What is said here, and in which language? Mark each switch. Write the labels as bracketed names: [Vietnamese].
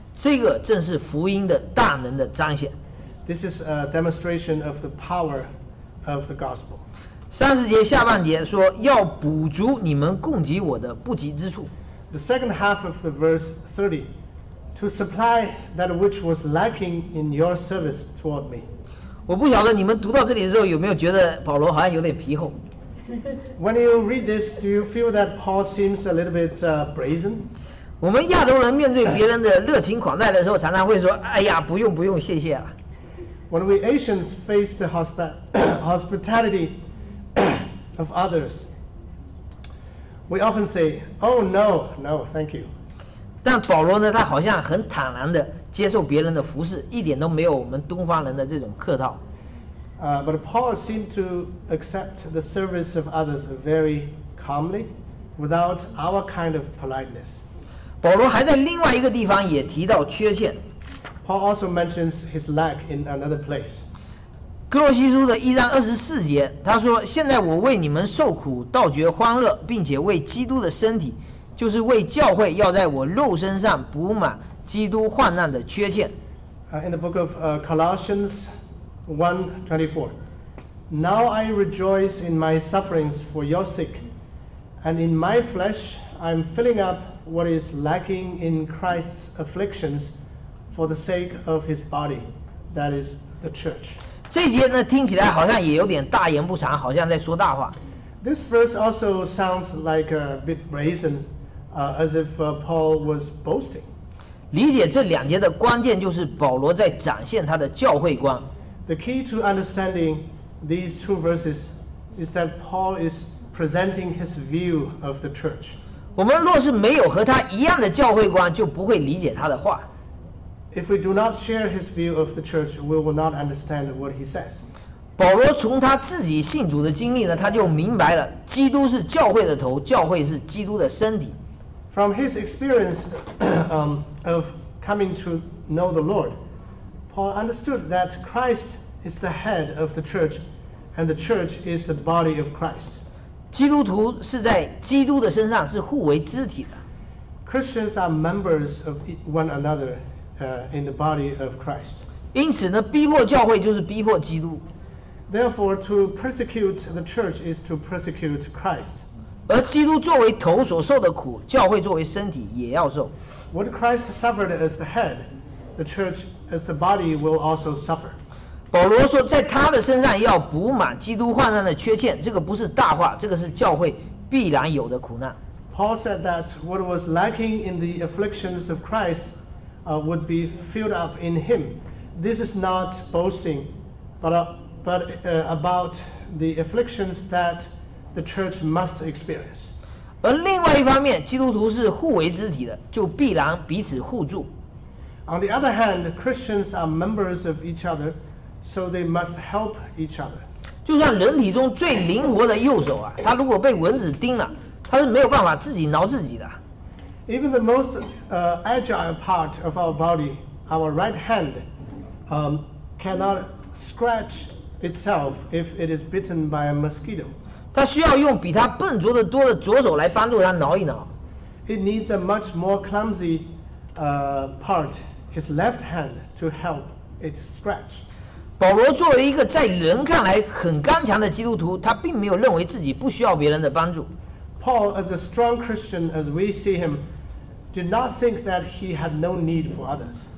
[Chinese] 这个正是福音的大能的彰显。 [English] This is a demonstration of the power of the gospel. [Chinese] 三十节下半节说要补足你们供给我的不及之处。 [English] The second half of the verse 30, to supply that which was lacking in your service toward me. [Chinese] 我不晓得你们读到这里的时候有没有觉得保罗好像有点皮厚。 [English] When you read this, do you feel that Paul seems a little bit brazen? [Chinese] 我们亚洲人面对别人的热情款待的时候，常常会说：“哎呀，不用不用，谢谢啊。” [English] When we Asians face the hospitality of others, we often say, "Oh no, no, thank you." [Chinese] 但保罗呢，他好像很坦然的接受别人的服侍，一点都没有我们东方人的这种客套。 [English] But Paul seemed to accept the service of others very calmly, without our kind of politeness. [Chinese] 保罗还在另外一个地方也提到缺陷。 [English] Paul also mentions his lack in another place. [Chinese] 哥罗西书的一章二十四节，他说：“现在我为你们受苦，倒觉欢乐，并且为基督的身体，就是为教会，要在我肉身上补满基督患难的缺陷。” [English] In the book of Colossians 1:24. Now I rejoice in my sufferings for your sake, and in my flesh I'm filling up what is lacking in Christ's afflictions for the sake of his body, that is the church. [Chinese] 这节呢听起来好像也有点大言不惭，好像在说大话。 [English] This verse also sounds like a bit brazen, as if Paul was boasting. [Chinese] 理解这两节的关键就是保罗在展现他的教会观。 [English] The key to understanding these two verses is that Paul is presenting his view of the church. [Chinese] 我们若是没有和他一样的教会观，就不会理解他的话。 [English] If we do not share his view of the church, we will not understand what he says. [Chinese] 保罗从他自己信主的经历呢，他就明白了，基督是教会的头，教会是基督的身体。 [English] From his experience of coming to know the Lord,Paul understood that Christ is the head of the church, and the church is the body of Christ. [Chinese] 基督徒是在基督的身上是互为肢体的。 [English] Christians are members of one another, in the body of Christ. [Chinese] 因此呢，逼迫教会就是逼迫基督。 [English] Therefore, to persecute the church is to persecute Christ. [Chinese] 而基督作为头所受的苦，教会作为身体也要受。 [English] What Christ suffered as the head, the church. As the body will also suffer. [Chinese] 保罗说，在他的身上要补满基督患难的缺陷，这个不是大话，这个是教会必然有的苦难。 [English] Paul said that what was lacking in the afflictions of Christ, would be filled up in him. This is not boasting, but about the afflictions that the church must experience. [Chinese] 而另外一方面，基督徒是互为肢体的，就必然彼此互助。 [English] On the other hand, Christians are members of each other, so they must help each other. [Chinese] 就像人体中最灵活的右手啊，它如果被蚊子叮了，它是没有办法自己挠自己的。 [English] Even the most agile part of our body, our right hand, cannot scratch itself if it is bitten by a mosquito. [Chinese] 它需要用比它笨拙的多的左手来帮助它挠一挠。 [English] It needs a much more clumsy part, his left hand, to help it scratch. [Chinese] 保罗作为一个在人看来很刚强的基督徒，他并没有认为自己不需要别人的帮助。 [English] Paul, as a strong Christian as we see him, did not think that he had no need for others.